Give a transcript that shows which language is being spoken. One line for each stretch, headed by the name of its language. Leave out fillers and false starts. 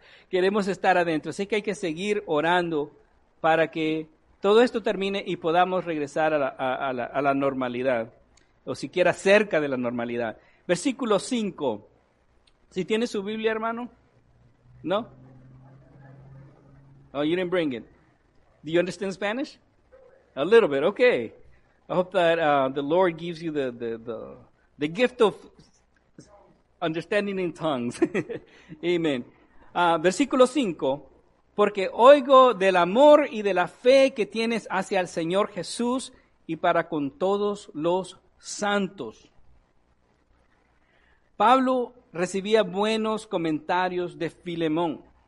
Spanish: Queremos estar adentro. Así que hay que seguir orando para que todo esto termine y podamos regresar a la normalidad, o siquiera cerca de la normalidad. Versículo 5. ¿Sí tiene su Biblia, hermano? ¿No?
English: Oh, you didn't bring it. Do you understand Spanish? A little bit, okay. I hope that the Lord gives you the gift of understanding in tongues.
Spanish: Amen. Versículo 5. Porque oigo del amor y de la fe que tienes hacia el Señor Jesús y para con todos los santos. Pablo recibía buenos comentarios de Filemón.